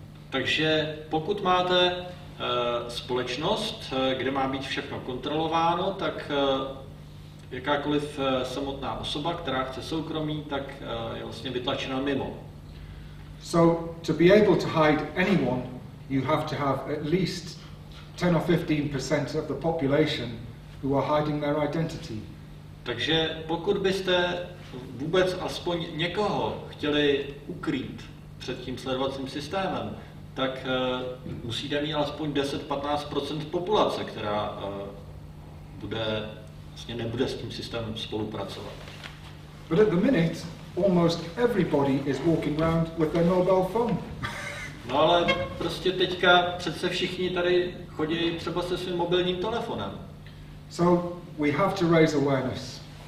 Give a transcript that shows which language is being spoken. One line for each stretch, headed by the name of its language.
Czech: Takže pokud máte společnost, kde má být všechno kontrolováno, tak jakákoliv samotná osoba, která chce soukromí, tak je vlastně vytlačena mimo.
English: So to be able to hide anyone, you have to have at least 10 or 15% of the population who are hiding their identity.
Czech: Takže pokud byste vůbec aspoň někoho chtěli ukrýt před tím sledovacím systémem, tak musíte mít alespoň 10-15% populace, která bude vlastně nebude s tím systémem spolupracovat.
English: But at the minute almost everybody is walking around with their mobile phone.
Czech: No ale prostě teďka přece všichni tady chodí třeba se svým mobilním telefonem.
English: So we have to raise awareness.